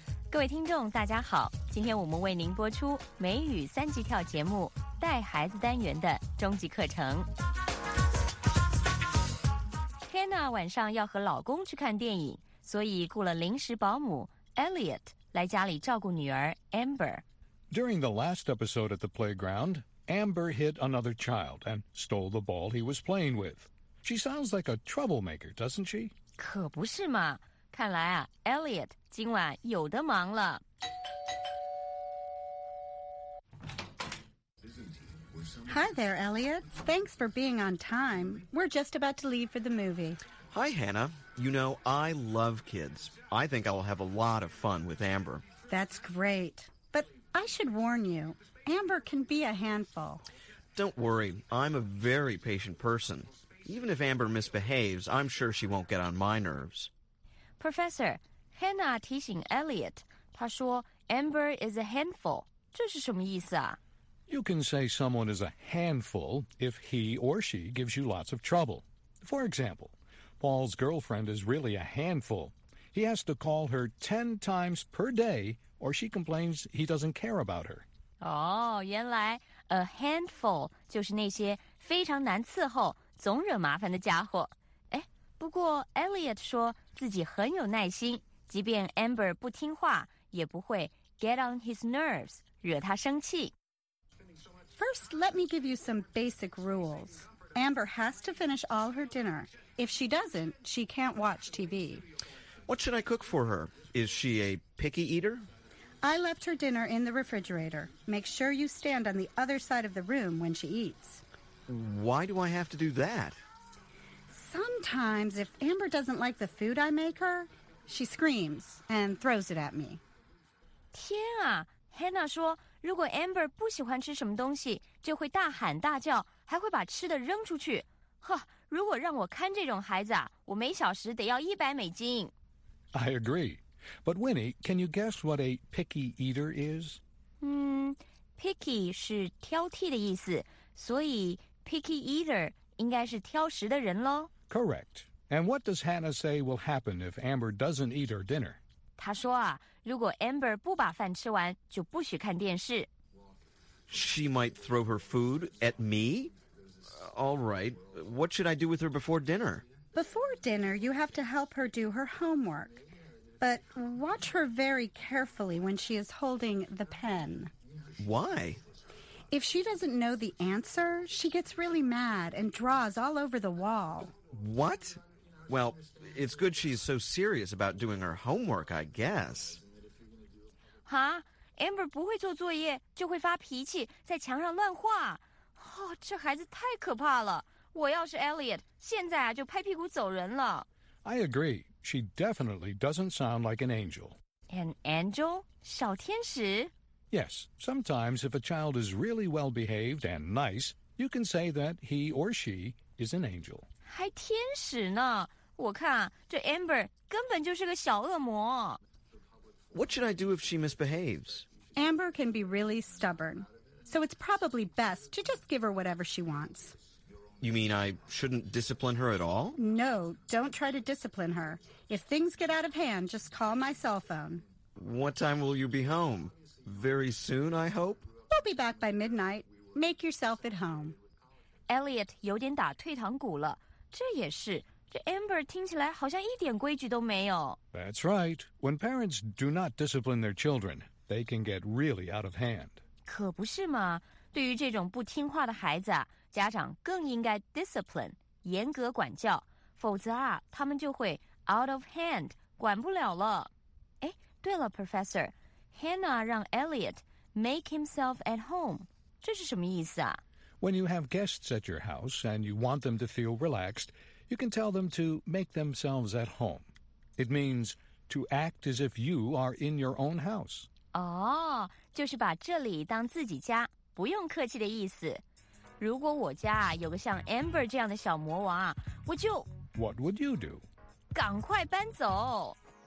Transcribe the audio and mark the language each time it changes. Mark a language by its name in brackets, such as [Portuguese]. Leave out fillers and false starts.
[Chinese] 各位听众大家好，今天我们为您播出美语三级跳节目带孩子单元的终极课程。 Hannah 晚上要和老公去看电影，所以雇了临时保姆 Elliot 来家里照顾女儿 Amber。 [English] During the last episode at the playground, Amber hit another child and stole the ball he was playing with. She sounds like a troublemaker, doesn't she? [Chinese] 可不是嘛，看来啊 ，Elliot 今晚有的忙了。 [English] Hi there, Elliot. Thanks for being on time. We're just about to leave for the movie. Hi, Hannah. You know, I love kids. I think I will have a lot of fun with Amber. That's great. But I should warn you, Amber can be a handful. Don't worry. I'm a very patient person. Even if Amber misbehaves, I'm sure she won't get on my nerves. [Chinese] Professor, Hannah 提醒 Elliot, 她说 Amber [English] is a handful. [Chinese] 这是什么意思啊？ [English] You can say someone is a handful if he or she gives you lots of trouble. For example, Paul's girlfriend is really a handful. He has to call her 10 times per day or she complains he doesn't care about her. [Chinese] 哦，原来 a handful 就是那些非常难伺候、总惹麻烦的家伙。哎，不过 Elliot 说自己很有耐心，即便 Amber 不听话，也不会 [English] get on his nerves, [Chinese] 惹他生气。 [English] First, let me give you some basic rules. Amber has to finish all her dinner. If she doesn't, she can't watch TV. What should I cook for her? Is she a picky eater? I left her dinner in the refrigerator. Make sure you stand on the other side of the room when she eats. Why do I have to do that? Sometimes, if Amber doesn't like the food I make her, she screams and throws it at me. [Chinese] 天啊！ Hannah 说，如果 Amber 不喜欢吃什么东西，就会大喊大叫，还会把吃的扔出去。呵，如果让我看这种孩子啊，我每小时得要$100。 [English] I agree. But Winnie, can you guess what a picky eater is? [Chinese] Picky 是挑剔的意思，所以 picky eater 应该是挑食的人咯。 [English] Correct. And what does Hannah say will happen if Amber doesn't eat her dinner? [Chinese] 他说啊，如果 Amber 不把饭吃完，就不许看电视。 [English] She might throw her food at me? All right, what should I do with her before dinner? Before dinner, you have to help her do her homework. But watch her very carefully when she is holding the pen. Why? If she doesn't know the answer, she gets really mad and draws all over the wall. What? Well, it's good she's so serious about doing her homework, I guess. Huh? [Chinese] Amber 不会做作业就会发脾气在墙上乱画。哦，这孩子太可怕了。我要是 Elliot, 现在啊就拍屁股走人了。 [English] I agree. She definitely doesn't sound like an angel. An angel? [Chinese] 小天使? [English] Yes. Sometimes if a child is really well behaved and nice, you can say that he or she is an angel. [Chinese] 还天使呢？我看这 Amber 根本就是个小恶魔。 [English] What should I do if she misbehaves? Amber can be really stubborn, so it's probably best to just give her whatever she wants. You mean I shouldn't discipline her at all? No, don't try to discipline her. If things get out of hand, just call my cell phone. What time will you be home? Very soon, I hope? We'll be back by midnight. Make yourself at home. [Chinese] Elliot 有点打退堂鼓了。这也是，这 Amber 听起来好像一点规矩都没有。 [English] That's right. When parents do not discipline their children, they can get really out of hand. [Chinese] 可不是嘛，对于这种不听话的孩子啊，家长更应该 discipline, 严格管教，否则啊，他们就会 out of hand, 管不了了。哎，对了 ,Professor, Hannah 让 Elliot [English] make himself at home, [Chinese] 这是什么意思啊？ [English] When you have guests at your house and you want them to feel relaxed, you can tell them to make themselves at home. It means to act as if you are in your own house. [Chinese] 哦，就是把这里当自己家，不用客气的意思。如果我家有个像 Amber 这样的小魔王，我就 [English] What would you do? [Chinese] 赶快搬走。